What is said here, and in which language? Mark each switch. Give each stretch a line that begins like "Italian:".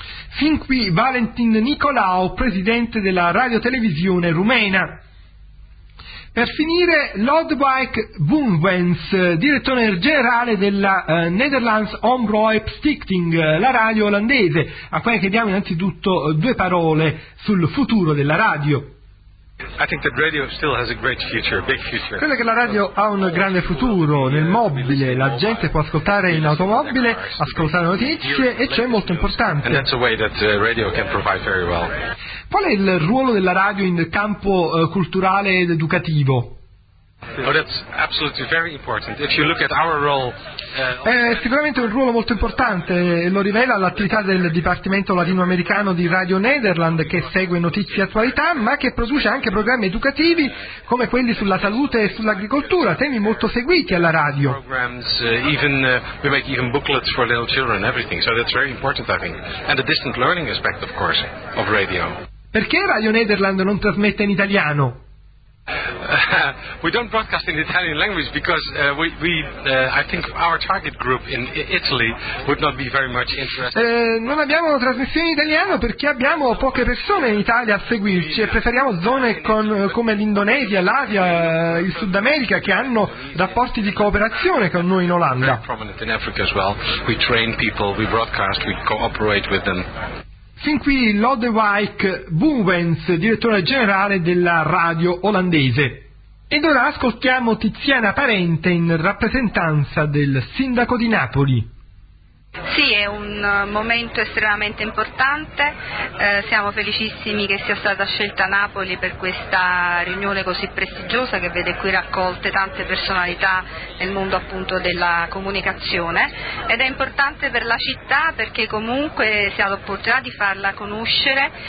Italian: Fin qui Valentin Nicolau, presidente della radiotelevisione rumena. Per finire, Lodewijk Boomwens, direttore generale della Netherlands Omroep Stichting, la radio olandese, a cui chiediamo innanzitutto due parole sul futuro della radio.
English: I think that radio still has a great future, a big future.
Italian: Credo che la radio ha un grande futuro nel mobile, la gente può ascoltare in automobile, ascoltare notizie, e ciò è molto importante.
English: And that's a way that radio can provide very well.
Italian: Qual è il ruolo della radio in campo culturale ed educativo?
English: Oh, that's absolutely very important. If you look at our role,
Italian: sicuramente un ruolo molto importante, lo rivela l'attività del Dipartimento Latinoamericano di Radio Nederland, che segue notizie e attualità, ma che produce anche programmi educativi come quelli sulla salute e sull'agricoltura, temi molto seguiti alla radio.
English: We make even booklets for little children and everything, so that's very important, I think. And the distant learning aspect, of course, of radio.
Italian: Perché Radio Nederland non trasmette in italiano?
English: We don't broadcast in the Italian language because I think our target group in Italy would not be very much interested.
Italian: Non abbiamo una trasmissione in italiano perché abbiamo poche persone in Italia a seguirci e preferiamo zone come l'Indonesia, l'Asia, il Sud America che hanno rapporti di cooperazione con noi in Olanda.
English: Very prominent in Africa as well. We train people, we broadcast, we cooperate with them.
Italian: Fin qui Lodewijk Boewens, direttore generale della radio olandese. Ed ora ascoltiamo Tiziana Parente in rappresentanza del sindaco di Napoli. Sì, è un momento estremamente importante, siamo felicissimi che sia stata scelta Napoli per questa riunione così prestigiosa che vede qui raccolte tante personalità nel mondo appunto della comunicazione, ed è importante per la città perché comunque si ha l'opportunità di farla conoscere